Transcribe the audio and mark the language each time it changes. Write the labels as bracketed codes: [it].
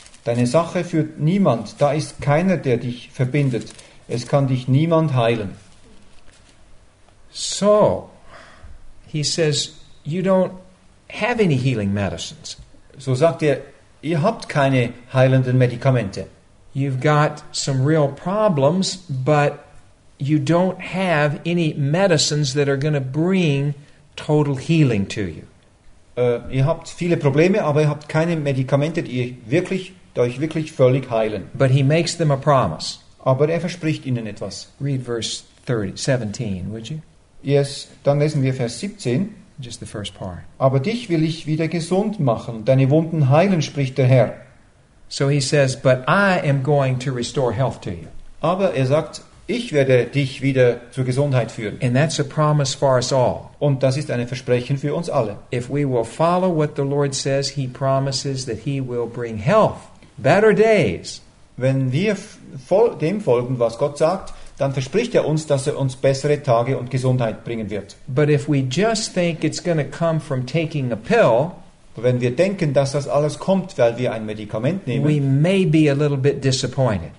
[de] Deine Sache führt niemand, da ist keiner, der dich verbindet. Es kann dich niemand heilen. [en] So, he says, you don't have any healing medicines. [de] So sagt er, ihr habt keine heilenden Medikamente. [en] You've got some real problems, but you don't have any medicines that are going to bring total healing to you. [de] Ihr habt viele Probleme, aber ihr habt keine Medikamente, die euch wirklich völlig heilen. [en] But he makes them a promise. [de] Aber er verspricht ihnen etwas. [en] Read verse 17, would you? [de] Yes, dann lesen wir Vers 17. [en] Just the first part. [de] Aber dich will ich wieder gesund machen, deine Wunden heilen, spricht der Herr. [en] So he says, but I am going to restore health to you. [de] Aber er sagt, ich werde dich wieder zur Gesundheit führen. [en] And that's a promise for us all. [de] Und das ist ein Versprechen für uns alle. [en] If we will follow what the Lord says, he promises that he will bring health, better days. [de] Wenn wir dem folgen, was Gott sagt, dann verspricht er uns, dass er uns bessere Tage und Gesundheit bringen wird. [en] But if we just think it's going to come from taking a pill, [de] Wenn wir denken, dass das alles kommt, weil wir ein Medikament nehmen, [en] we may be a little bit disappointed.